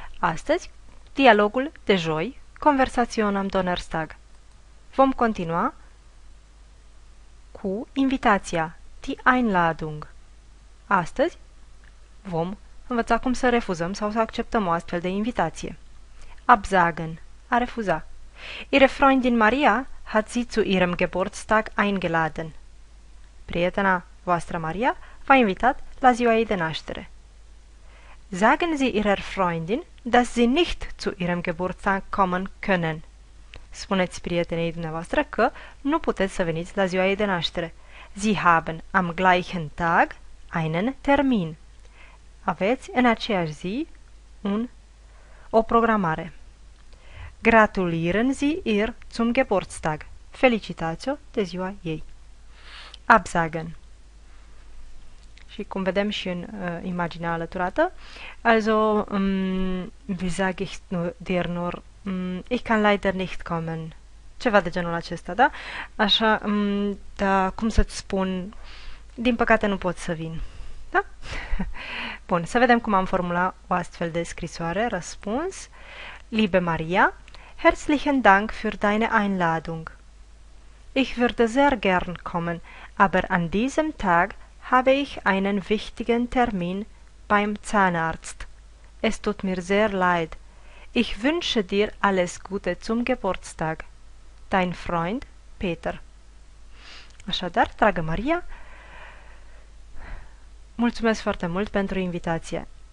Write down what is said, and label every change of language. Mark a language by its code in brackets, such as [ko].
[ro] Astăzi, dialogul de joi, conversațion [de] am Donnerstag. [ro] Vom continua cu invitația, [de] die Einladung. [ro] Astăzi, vom învăța cum să refuzăm sau să acceptăm o astfel de invitație. [de] Absagen, [ro] a refuza. [de] Ihre Freundin Maria hat sie zu ihrem Geburtstag eingeladen. [ro] Prietena voastră Maria v-a invitat la ziua ei de naștere. [de] Sagen Sie Ihrer Freundin, dass Sie nicht zu Ihrem Geburtstag kommen können. [ro] Spuneți prietenei dumneavoastră că nu puteți să veniți la ziua ei de naștere. [de] Sie haben am gleichen Tag einen Termin. [ro] Aveți în aceeași zi o programare. [de] Gratulieren Sie ihr zum Geburtstag. [ro] Felicitați-o de ziua ei. [de] Absagen. [ro] Și cum vedem și în imaginea alăturată, [de] also, wie sage ich dir nur, ich kann leider nicht kommen. [ro] Ceva de genul acesta, da? Așa, da, cum să-ți spun, din păcate nu pot să vin. Da? Bun, să vedem cum am formulat o astfel de scrisoare, răspuns. [de] Liebe Maria, herzlichen Dank für deine Einladung. Ich würde sehr gern kommen, aber an diesem Tag habe ich einen wichtigen Termin beim Zahnarzt. Es tut mir sehr leid. Ich wünsche dir alles Gute zum Geburtstag. Dein Freund Peter. [ro] Așadar, dragă Maria, mulțumesc foarte mult pentru invitație.